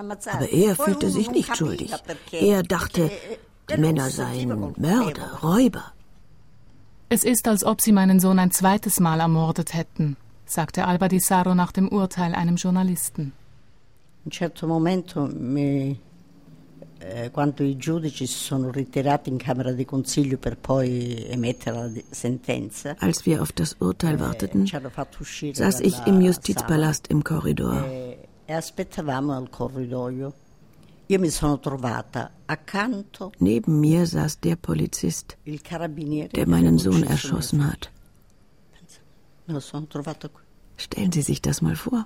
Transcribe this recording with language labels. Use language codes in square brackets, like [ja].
[de] Aber er fühlte sich nicht schuldig. Er dachte, die Männer seien Mörder, Räuber. Es ist, als ob sie meinen Sohn ein zweites Mal ermordet hätten, sagte Alba Di Sarro nach dem Urteil einem Journalisten. [it] In certo momento mi quando i giudici si sono ritirati in camera di consiglio per poi emettere la sentenza. [de] Als wir auf das Urteil warteten, saß ich im Justizpalast im Korridor. [it] E aspettavamo al corridoio. Io mi sono trovata accanto. [de] Neben mir saß der Polizist, [it] il carabiniere, [de] der meinen Sohn erschossen hat. [it] Me lo sono trovato qui. [de] Stellen Sie sich das mal vor.